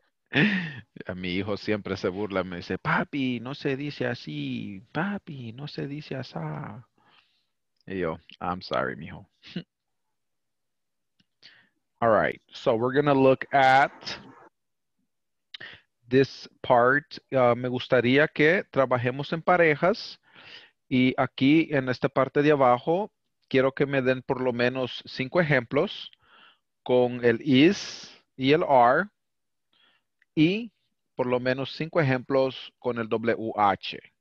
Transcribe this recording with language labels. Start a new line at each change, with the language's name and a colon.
Spanish: A mi hijo siempre se burla, me dice, papi, no se dice así, papi, no se dice asá. Y yo,
English: I'm sorry,
Spanish: mijo.
English: All right, so we're going to look at this part.
Spanish: Me gustaría que trabajemos en parejas. Y aquí, en esta parte de abajo, quiero que me den por lo menos 5 ejemplos con el is y el are. Y por lo menos 5 ejemplos con el WH.